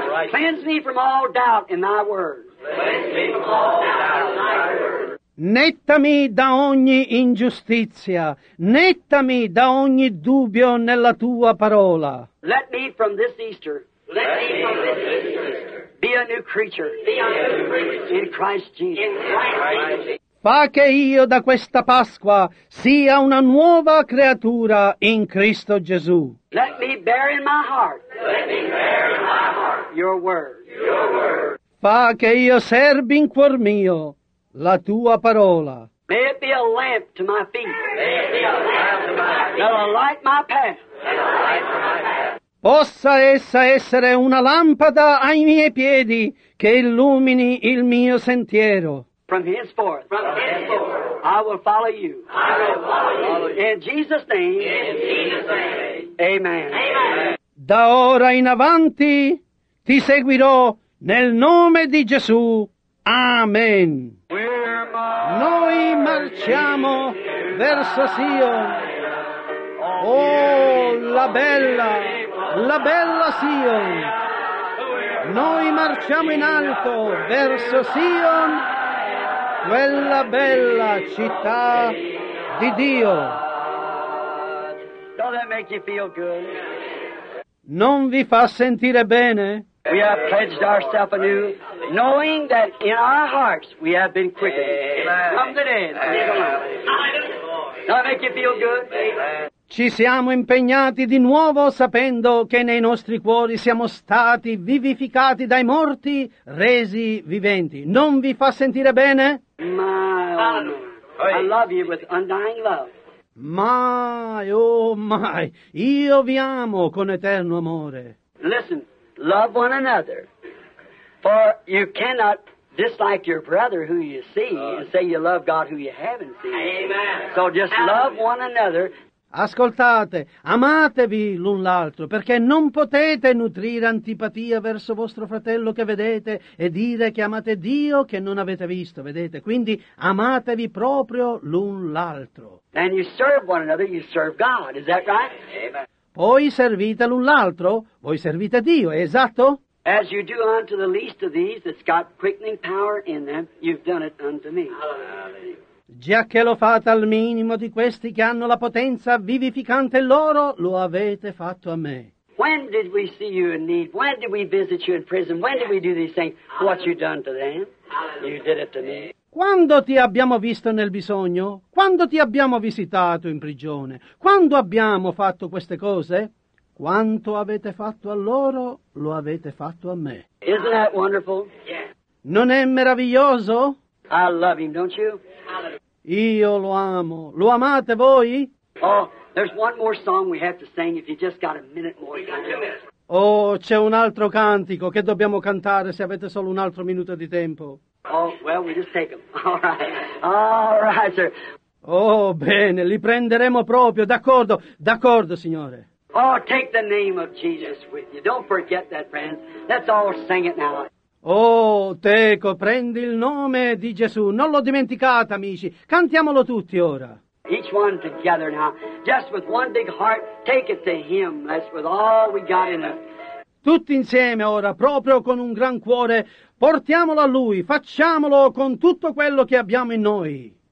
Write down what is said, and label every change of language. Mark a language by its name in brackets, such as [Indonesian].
[English] Cleanse me from all doubt in thy word. [Italian] Nettami da ogni ingiustizia, nettami da ogni dubbio nella tua parola. [English] Let me from this Easter, let me from this Easter be a new creature, be a new creature in Christ Jesus. In Christ Jesus. [Italian] Fa che io da questa Pasqua sia una nuova creatura in Cristo Gesù. [English] Let me bear in my heart, let me bear in my heart your word, your word. [Italian] Fa che io serbi in cuor mio la tua parola. [English] May it be a lamp to my feet. May it be a lamp to my feet. That will light my path. That will light my path. [Italian] Possa essa essere una lampada ai miei piedi che illumini il mio sentiero. [English] From henceforth. From henceforth. I will follow you. I will follow you. In Jesus' name. In Jesus' name. Amen. Amen. [Italian] Da ora in avanti ti seguirò nel nome di Gesù. Amen. Noi marciamo verso Sion. Oh, la bella Sion. Noi marciamo in alto verso Sion, quella bella città di Dio. [English] Don't that make you feel good? [Italian] Non vi fa sentire bene? [English] We have pledged ourselves anew, knowing that in our hearts we have been quickened. Come today. Does that make you feel good? [Italian] Ci siamo impegnati di nuovo sapendo che nei nostri cuori siamo stati vivificati dai morti, resi viventi. Non vi fa sentire bene? [English] My, oh, I love you with undying love. My, oh my, [Italian] io vi amo con eterno amore. [English] Listen. Love one another, for you cannot dislike your brother who you see and say you love God who you haven't seen. Amen. So just love one another. [Italian] Ascoltate, amatevi l'un l'altro, perché non potete nutrire antipatia verso vostro fratello che vedete e dire che amate Dio che non avete visto, vedete? Quindi amatevi proprio l'un l'altro. [English] And you serve one another, you serve God, is that right? Amen. [Italian] Voi servite l'un l'altro, voi servite Dio, è esatto? [English] As you do unto the least of these that's got quickening power in them, you've done it unto me. [Italian] Già che lo fate al minimo di questi che hanno la potenza vivificante loro, lo avete fatto a me. [English] When did we see you in need? When did we visit you in prison? When did we do these things? What you done to them? You did it to me. [Italian] Quando ti abbiamo visto nel bisogno? Quando ti abbiamo visitato in prigione? Quando abbiamo fatto queste cose? Quanto avete fatto a loro, lo avete fatto a me. [English] Isn't that wonderful? [Italian] Non è meraviglioso? [English] I love him, don't you? [Italian] Io lo amo. Lo amate voi? [English] Oh, there's one more song we have to sing if you just got a minute more. [Italian] Oh, c'è un altro cantico che dobbiamo cantare se avete solo un altro minuto di tempo. [English] Oh, well, we just take them. All right. All right, sir. [Italian] Oh, bene, li prenderemo proprio. D'accordo, d'accordo, signore. [English] Oh, take the name of Jesus with you. Don't forget that, friends. Let's all sing it now. [Italian] Oh, teco, prendi il nome di Gesù. Non lo dimenticate, amici. Cantiamolo tutti ora. [English] Each one together now. Just with one big heart, take it to him. That's with all we got in us. [Italian] Tutti insieme ora, proprio con un gran cuore, portiamolo a Lui, facciamolo con tutto quello che abbiamo in noi.